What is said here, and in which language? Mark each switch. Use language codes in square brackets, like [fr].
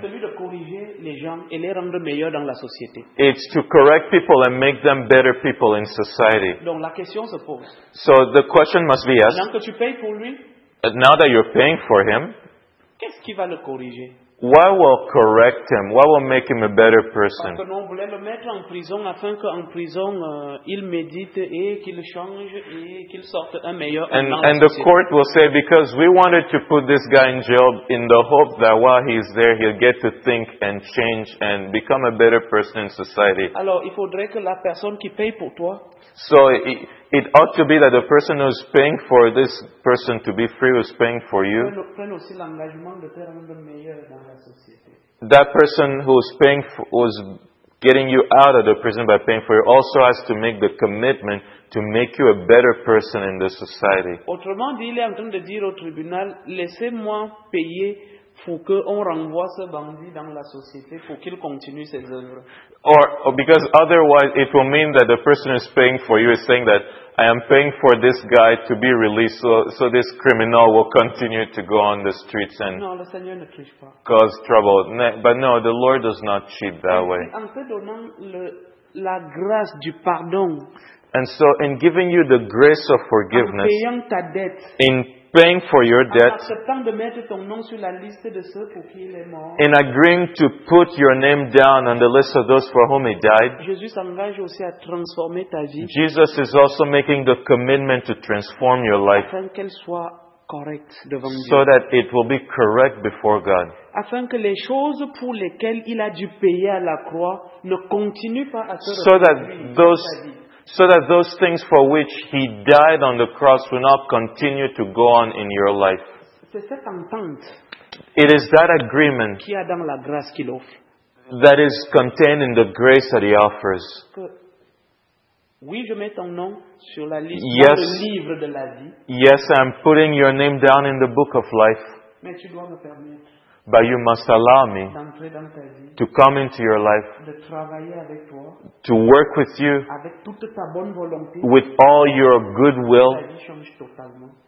[fr] Celui de corriger les gens et les rendre meilleurs dans la société. [en] It's to correct people and make them better people in society. [fr] Donc la question se pose. [en] So the question must be asked. [fr] Maintenant que tu payes pour lui, [en] now that you're paying for him, [fr] qu'est-ce qui va le corriger? [en] What will correct him? What will make him a better person? [fr] Parce que nous voulons le mettre en prison afin qu'en prison il médite et qu'il change et qu'il sorte un meilleur homme. [en] And the court will say, because we wanted to put this guy in jail in the hope that while he's there he'll get to think and change and become a better person in society. [fr] Alors il faudrait que la personne qui paye pour toi. [en] So it ought to be that the person who's paying for this person to be free who's paying for you. That person who's paying who's getting you out of the prison by paying for you also has to make the commitment to make you a better person in the society. [fr] Autrement dit, il est en train de dire au tribunal, laissez-moi payer pour qu'on renvoie ce bandit dans la société pour qu'il continue ses œuvres. [en] Or because otherwise it will mean that the person who's paying for you is saying that I am paying for this guy to be released so this criminal will continue to go on the streets and [fr] non, le Seigneur ne triche pas. [en] Cause trouble. But no, the Lord does not cheat that way. [fr] En te donnant la grâce du pardon, [en] and so in giving you the grace of forgiveness, [fr] en payant ta dette, [en] in paying for your debt, [fr] en acceptant de mettre ton nom sur la liste de ceux pour qui il est mort, [en] in agreeing to put your name down on the list of those for whom he died, [fr] Jésus s'engage aussi à transformer ta vie. [en] Jesus is also making the commitment to transform your life, [fr] afin qu'elle soit correcte devant [en] so that it will be correct before God, [fr] afin que les choses pour lesquelles il a dû payer à la croix ne continuent pas à se [en] so that those so that those things for which he died on the cross will not continue to go on in your life. [fr] C'est cette entente. [en] It is that agreement [fr] qu'il y a dans la grâce qu'il offre. [en] That is contained in the grace that he offers. [fr] Oui, je mets ton nom sur la liste dans le livre de la vie. [en] Yes, I'm putting your name down in the book of life. [fr] Mais tu dois me permettre. [en] But you must allow me [fr] d'entrer dans ta vie, [en] to come into your life, [fr] de travailler avec toi, [en] to work with you [fr] avec toute ta bonne volonté, [en] with all your good will, [fr] ta vie change totalement,